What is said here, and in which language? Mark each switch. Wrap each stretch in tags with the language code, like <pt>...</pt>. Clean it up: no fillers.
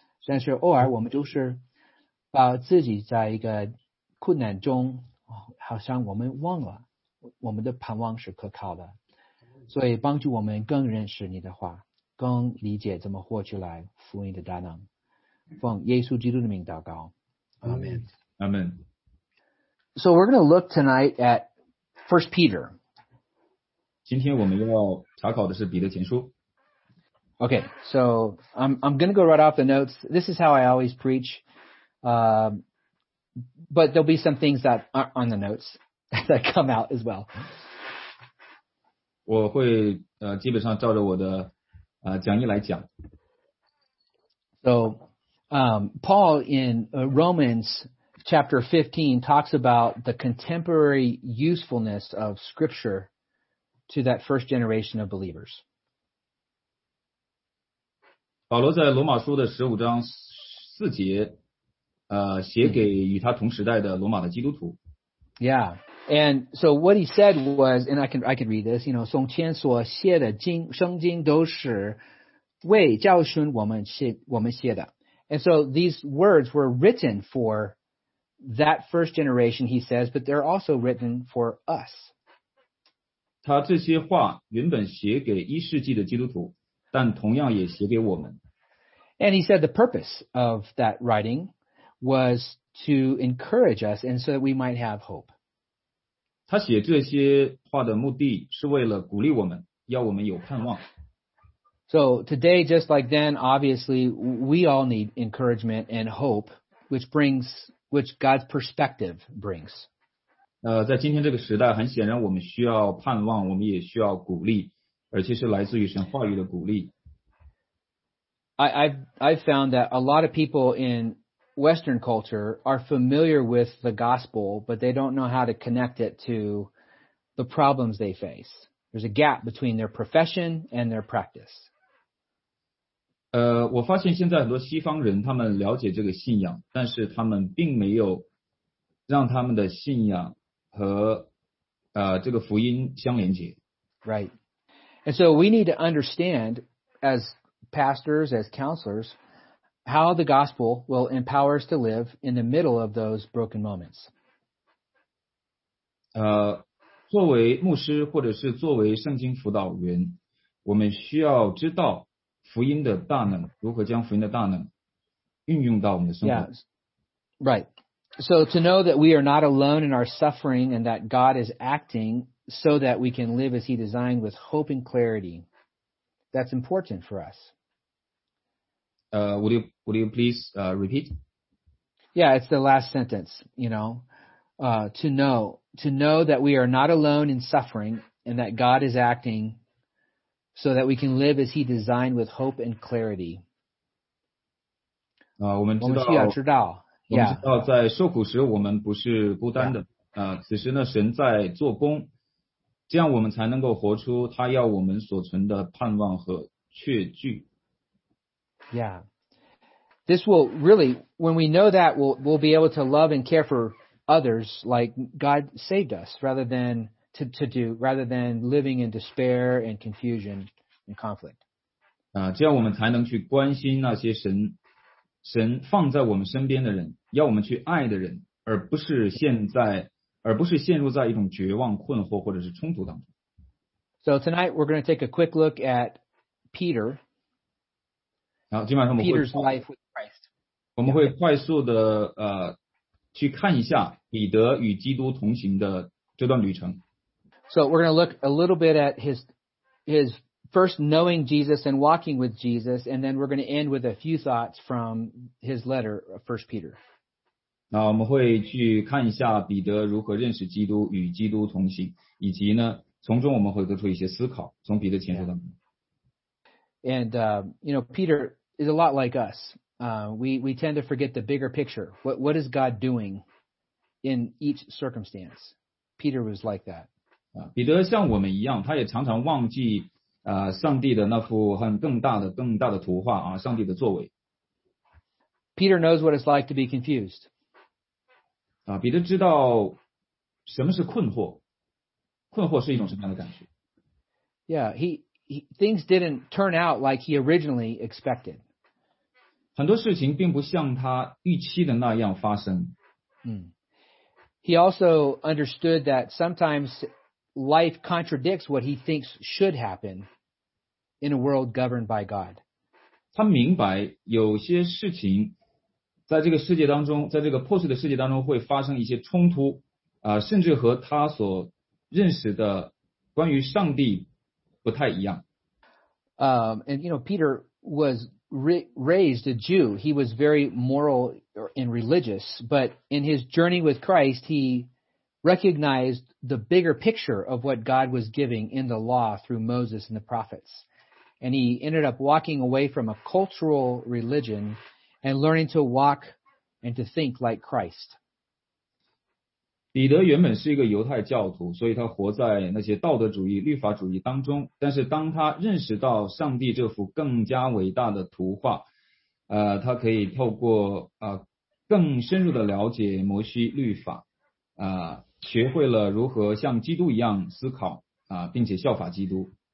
<zh>但是偶尔我们就是把自己在一个困难中，好像我们忘了我们的盼望是可靠的，所以帮助我们更认识你的话，更理解怎么获取来福音的大能。奉耶稣基督的名祷告，</zh> <en>Amen. Amen. So we're going to look tonight at 1 Peter.</en> <zh>今天我们要查考的是彼得前书。</zh> <en>Okay, so I'm going to go right off the notes. This is how I always preach. But there'll be some things that aren't on the notes that come out as well.</en> <zh>我会基本上照着我的讲义来讲。</zh> <en>So, Paul in Romans chapter 15 talks about the contemporary usefulness of Scripture to that first generation of believers.</en> <zh>保罗在罗马书的15章4节写给与他同时代的罗马的基督徒。</zh> <en>Yeah, and so what he said was, and I can read this, you know,</en> <zh>从前所写的经圣经都是为教训我们写的。</zh> <en>And so these words were written for that first generation, he says, but they're also written for us.</en> <zh>他这些话原本写给一世纪的基督徒，但同样也写给我们。</zh> <en>And he said the purpose of that writing was to encourage us and so that we might have hope.</en> <zh>他写这些话的目的是为了鼓励我们，要我们有盼望。</zh> <en>So today, just like then, obviously, we all need encouragement and hope, which God's perspective brings.</en> <zh>在今天这个时代，很显然我们需要盼望，我们也需要鼓励，而且是来自于神话语的鼓励。</zh> <en>I found that a lot of people in Western culture are familiar with the gospel, but they don't know how to connect it to the problems they face. There's a gap between their profession and their practice.</en> <zh>我发现现在很多西方人他们了解这个信仰，但是他们并没有让他们的信仰和这个福音相连接。</zh> <en>Right. And so we need to understand as pastors, as counselors, how the gospel will empower us to live in the middle of those broken moments.</en> <zh>作为牧师或者是作为圣经辅导员，我们需要知道福音的大能，如何将福音的大能运用到我们的生活。</zh> <en>Yeah, right. So to know that we are not alone in our suffering and that God is acting so that we can live as he designed with hope and clarity, that's important for us. Would you please repeat? Yeah, it's the last sentence, you know. To know that we are not alone in suffering and that God is acting so that we can live as he designed with hope and clarity.</en> <zh>我们需要知道。</zh> <en>Yeah.</en> <zh>我们知道在受苦时我们不是孤单的。</zh> <en>Yeah.</en> <zh>此时呢神在做工，这样我们才能够活出他要我们所存的盼望和确据。</zh> <en>Yeah, this will really, when we know that, we'll be able to love and care for others like God saved us rather than living in despair and confusion and conflict.</en> <zh>这样我们才能去关心那些神放在我们身边的人，要我们去爱的人，而不是现在，而不是陷入在一种绝望、困惑或者是冲突当中。</zh> <en>So tonight we're going to take a quick look at Peter.</en> <zh>然后今晚上我们会</zh> <en>Peter's life with Christ.</en> <zh>我们会快速的去看一下彼得与基督同行的这段旅程。</zh> <en>So we're going to look a little bit at his first knowing Jesus and walking with Jesus, and then we're going to end with a few thoughts from his letter, 1 Peter.</en> <zh>那我们会去看一下彼得如何认识基督与基督同行，以及呢，从中我们会得出一些思考，从彼得前书当中。</zh> <en>And, you know, Peter is a lot like us. We tend to forget the bigger picture. What is God doing in each circumstance? Peter was like that.</en> <zh>彼得像我们一样，他也常常忘记上帝的那幅很更大的图画啊，上帝的作为。</zh> <en>Peter knows what it's like to be confused.</en> <zh>彼得知道什么是困惑，困惑是一种什么样的感觉。</zh> <en>Yeah, he things didn't turn out like he originally expected.</en> <zh>很多事情并不像他预期的那样发生。</zh> <en>He also understood that sometimes life contradicts what he thinks should happen in a world governed by God.</en> <zh>他明白有些事情在这个世界当中，在这个破碎的世界当中会发生一些冲突，甚至和他所认识的关于上帝不太一样。</zh> <en>And you know, Peter was raised a Jew. He was very moral and religious, but in his journey with Christ, he recognized the bigger picture of what God was giving in the law through Moses and the prophets. And he ended up walking away from a cultural religion and learning to walk and to think like Christ.</en> <zh>彼得原本是一个犹太教徒，所以他活在那些道德主义、律法主义当中。但是当他认识到上帝这幅更加伟大的图画，他可以透过更深入的了解摩西律法，学会了如何像基督一样思考，并且效法基督。</zh>